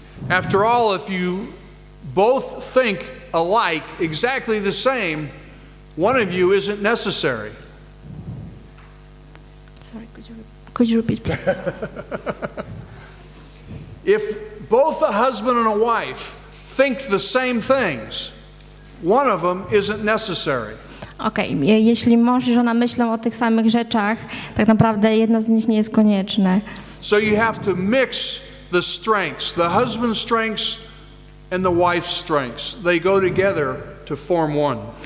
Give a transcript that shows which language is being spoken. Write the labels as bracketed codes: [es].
[en] After all, if you both think alike, exactly the same, one of you isn't necessary. Sorry, could you repeat, please? If both a husband and a wife think the same things, one of them isn't necessary. [pl] Okay, jeśli mąż i żona myślą o tych samych rzeczach, tak naprawdę jedno z nich nie jest konieczne. [en] So you have to mix the strengths, the husband's strengths and the wife's strengths. They go together to form one.